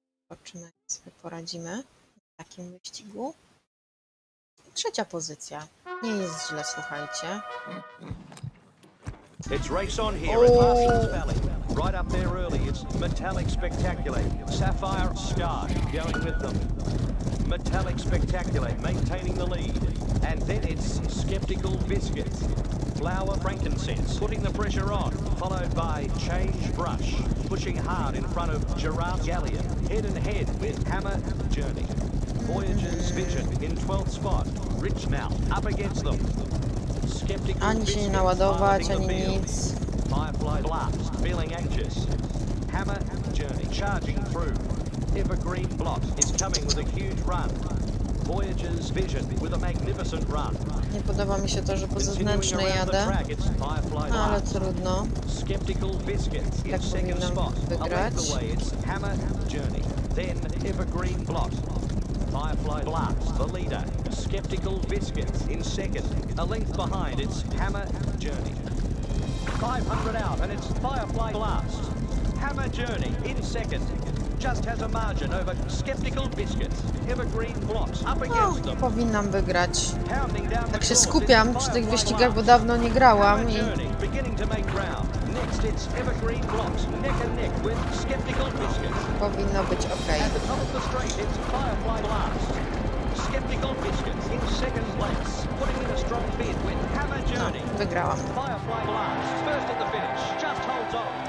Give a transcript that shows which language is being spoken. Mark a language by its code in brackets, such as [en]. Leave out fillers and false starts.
[pl] Zobaczymy, jak sobie poradzimy w takim wyścigu. Trzecia pozycja. Nie jest źle, słuchajcie. [en] It's race on here at Larson's Valley. Right up there early, it's Metallic Spectacular. Sapphire Sky going with them. Metallic Spectacular maintaining the lead. And then it's Skeptical Biscuit. Flower Frankincense putting the pressure on, followed by Change Brush, pushing hard in front of Giraffe Galleon, head and head with Hammer Journey. Voyager's Vision in 12th spot, Rich Mouth up against them. Skeptical [pl] ani się nie naładować, ani nic. [en] Firefly Blast feeling anxious. Hammer Journey charging through. Evergreen Blot is coming with a huge run. Voyager's Vision with a magnificent run. [pl] Nie podoba mi się to, że po zewnętrznej jadę. No, ale trudno. [en] Skeptical Biscuit [pl] tak [en] in second spot. [pl] Wygrać. [en] Away, it's Hammer Journey. Then Evergreen Blot. Firefly Blast, the leader. Skeptical Biscuit in second. A length behind, it's Hammer Journey. 500 out, and it's Firefly Blast. Hammer Journey in second. Just has a margin over Skeptical Biscuit. Evergreen Blocks up against them. [pl] No, powinnam wygrać. Tak się skupiam przy tych wyścigach, bo dawno nie grałam i... [en] Hammer Journey beginning to make ground. Next it's Evergreen Blocks, neck and neck with Skeptical Biscuit. [pl] Powinno być okej. [en] At the top of the straight it's Firefly Blast. Skeptical Biscuit in second place. Putting in a strong bid with Hammer Journey. [pl] No, wygrałam. [en] Firefly Blast, first at the finish, just holds on.